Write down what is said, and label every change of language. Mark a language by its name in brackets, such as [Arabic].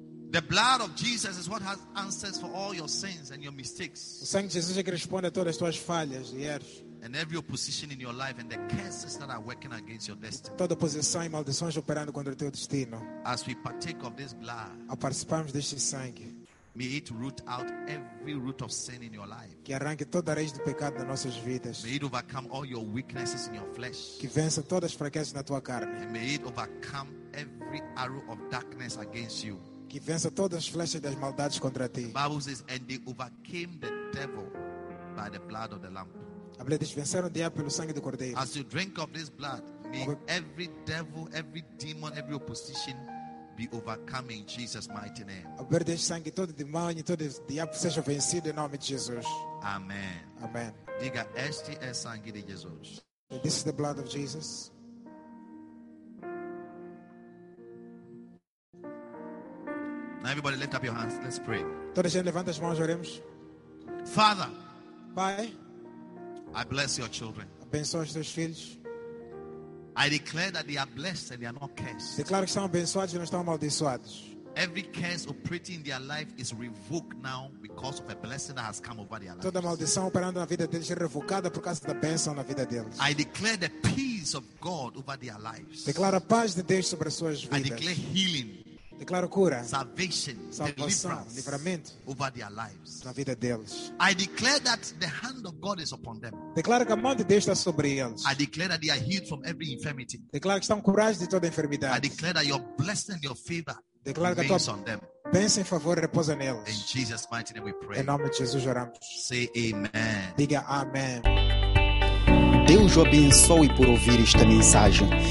[English] The blood of Jesus is what has answers for all your sins and your mistakes. [Portuguese] O sangue de Jesus é que responde a todas as tuas falhas e erros. [English] And every opposition in your life and the curses that are working against your destiny. [Portuguese] Toda oposição e maldições operando contra o teu destino. [English] As we partake of this blood, [Portuguese] ao participarmos deste sangue, [English] may it root out every root of sin in your life. [Portuguese] Que arranque toda a raiz do pecado nas nossas vidas. [English] May it overcome all your weaknesses in your flesh. [Portuguese] Que vença todas as fraquezas na tua carne. [English] And may it overcome every arrow of darkness against you. [Portuguese] Que vença todas as flechas das maldades contra ti. [English] The Bible says, and they overcame the devil by the blood of the Lamb. [Portuguese] Venceram o diabo pelo sangue do cordeiro. [English] As you drink of this blood, may every devil, every demon, every opposition be overcome in Jesus' mighty name. [Portuguese] Ao beber deste sangue, todo demônio e todo diabo seja vencido em nome de Jesus. [English] Amém. [Portuguese] Amém. Diga, este é sangue de Jesus. [English] This is the blood of Jesus. Now everybody lift up your hands. Let's pray. [Portuguese] Toda gente levanta as mãos, oremos. [English] Father. [Portuguese] Pai. [English] I bless your children. [Portuguese] Abençoa os teus filhos. [English] I declare that they are blessed and they are not cursed. [Portuguese] Declaro que são abençoados e não estão amaldiçoados. [English] Every curse operating in their life is revoked now because of a blessing that has come over their life. [Portuguese] Toda maldição operando na vida deles é revocada por causa da bênção na vida deles. [English] I declare the peace of God over their lives. [Portuguese] Declaro a paz de Deus sobre as suas vidas. [English] I declare healing. [Portuguese] Declaro cura, [English] salvation, [Portuguese] salvação, livramento [English] over their lives. [Portuguese] Na vida deles. [English] I declare that the hand of God is upon them. [Portuguese] Declaro que a mão de Deus está sobre eles. [English] I declare that they are healed from every infirmity. [Portuguese] Declaro que estão curados de toda a enfermidade. [English] I declare that your blessing, your favor, [Portuguese] declaro [English] remains [Portuguese] que a tua [English] on them. [Portuguese] Bênção e favor repousa neles. [English] In Jesus' mighty name we pray. [Portuguese] Em nome de Jesus oramos. [English] Say amen. [Portuguese] Diga amém. Deus o abençoe por ouvir esta mensagem.